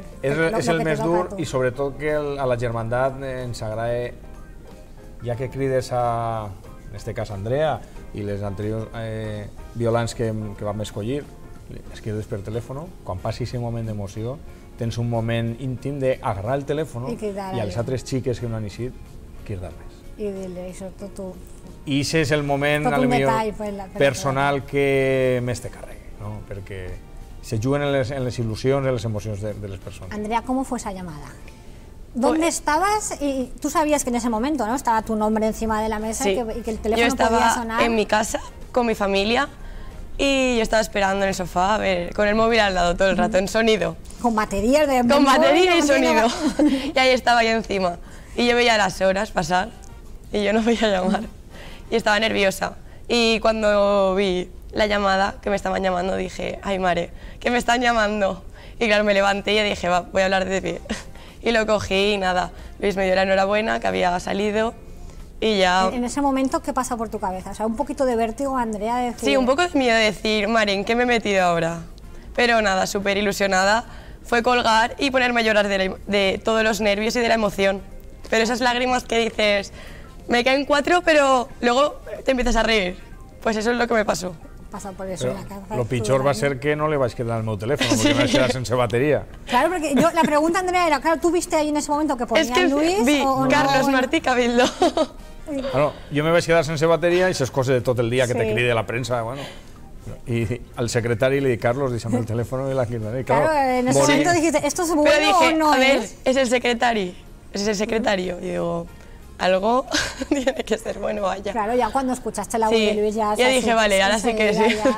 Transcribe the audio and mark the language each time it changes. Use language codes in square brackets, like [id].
[ca] és, és el més dur, i sobretot que a la germandat ens agrada, ja que crides a, en este cas, Andrea, i les anteriors violants que vam escollir, es crides per telèfon, quan passi aquest moment d'emoció, tens un moment íntim d'agarrar el telèfon i a les altres xiques que no han eixit, cridar-les. I dir-li, això, tot tu. I aquest és el moment, a lo millor, personal que més te carrega. No, perquè se juguen en les il·lusions i les emocions de les persones. [es] Andrea, ¿cómo fue esa llamada? ¿Dónde estabas? Y tú sabías que en ese momento, ¿no?, estaba tu nombre encima de la mesa, sí, y que el teléfono podía sonar. Yo estaba en mi casa con mi familia y yo estaba esperando en el sofá, a ver, con el móvil al lado todo el rato, en sonido. Con baterías de con batería y sonido. Y ahí estaba yo encima. Y yo veía las horas pasar y yo no podía llamar. Y estaba nerviosa. Y cuando vi la llamada, que me estaban llamando, dije, ay, mare, que me están llamando. Y claro, me levanté y dije, va, voy a hablar de pie. Y lo cogí y nada, Luis me dio la enhorabuena, que había salido y ya. En ese momento, ¿qué pasa por tu cabeza? O sea, un poquito de vértigo, Andrea, de decir... Sí, un poco de miedo de decir, mare, ¿en qué me he metido ahora? Pero nada, súper ilusionada, fue colgar y ponerme a llorar de todos los nervios y de la emoción. Pero esas lágrimas que dices, me caen cuatro, pero luego te empiezas a reír. Pues eso es lo que me pasó. Por eso, la [ca] lo pitjor va ser que no li vaig quedar el meu telèfon, perquè sí, me vaig quedar sense bateria. [es] Claro, porque yo, la pregunta, Andrea, era, claro, ¿tú viste ahí en ese momento que ponía es que Luis? Vi o Carlos no? Martí Cabildo. [ca] Bueno, jo me vaig quedar sense bateria i això és cosa de tot el dia que sí, te cride la premsa, bueno. [es] Y al secretario le dije, Carlos, díxame el teléfono y la quinta. Claro, claro, en ese momento dijiste, ¿esto es bueno dije, o no? A ver, es el secretario. Es el secretario. Y digo, algo tiene que ser bueno, vaya. Claro, ya cuando escuchaste la voz de Luis, ya... Sí, ya dije, vale, ahora sí que sí.